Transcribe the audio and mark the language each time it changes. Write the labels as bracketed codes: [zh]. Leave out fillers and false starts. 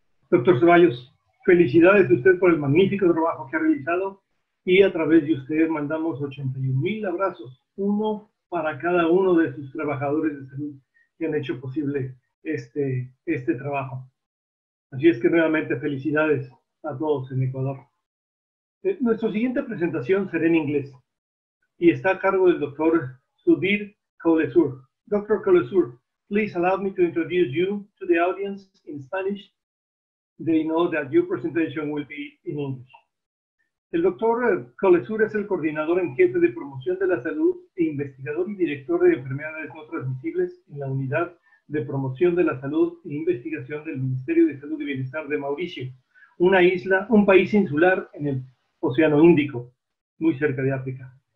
[es] Doctor Ceballos, felicidades de usted por el magnífico trabajo que ha realizado y a través de usted mandamos 81,000 abrazos, uno para cada uno de sus trabajadores de salud que han hecho posible este trabajo. Así es que nuevamente felicidades a todos en Ecuador. Nuestra siguiente presentación será en inglés y está a cargo del doctor Sudhir Kolesur. [en] Doctor Kolesur, please allow me to introduce you to the audience in Spanish. They know that your presentation will be in English. [es] El doctor Kolesur es el coordinador en jefe de promoción de la salud e investigador y director de enfermedades no transmisibles en la unidad de promoción de la salud e investigación del Ministerio de Salud y Bienestar de Mauricio, una isla, un país insular en el Océano Índico, muy cerca de África.